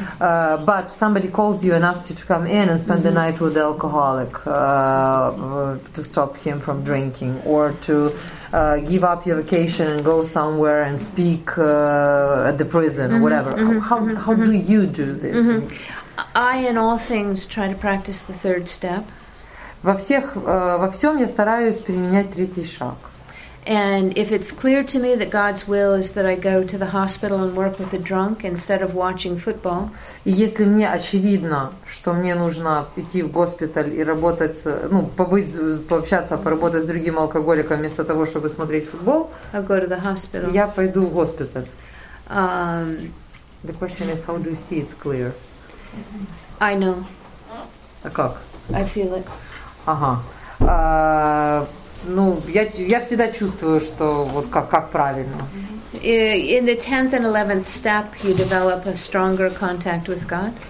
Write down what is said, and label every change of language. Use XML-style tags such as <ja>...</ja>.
<en>But somebody calls you and asks you to come in and spend the night with the alcoholic to stop him from drinking, or to give up your vacation and go somewhere and speak at the prison, or whatever. How do you do this? I, in all things, try to practice the third step.</en> <ru>Во всем я стараюсь применять третий шаг.</ru> <en>And if it's clear to me that God's will is that I go to the hospital and work with a drunk instead of watching football.</en> <ru>И если мне очевидно, что мне нужно идти в госпиталь и работать, ну, пообщаться, поработать с другим алкоголиком вместо того, чтобы смотреть футбол,</ru> <en>I'll go to the hospital.</en> <ru>Я пойду в госпиталь.</ru> <en>The question is, how do you see it's clear? I know.</en> <ru>А как?</ru> <en>I feel it.</en> <ru>Ага. Ну, я всегда чувствую, что вот как правильно.</ru> <en>In the 10th and 11th step, you develop a stronger contact with God.</en>